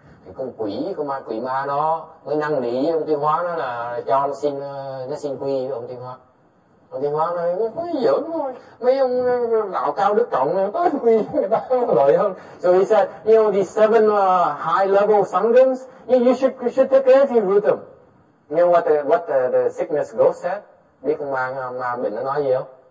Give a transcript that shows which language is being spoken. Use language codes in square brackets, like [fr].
[vi] Thì con quỷ, con ma quỷ ma nó mới năn nỉ ông Tuyên Hoa nó là cho nó xin quy với ông Tuyên Hoa. Ông Tuyên Hoa nói, nó giỡn thôi, mấy ông đạo cao đức trọng nó quy người ta lợi hơn. [en] So he said, you know, these seven high level sanghans, you should take refuge with them. You know what the sickness ghost said? [vi] Biết con ma bệnh nó nói gì không?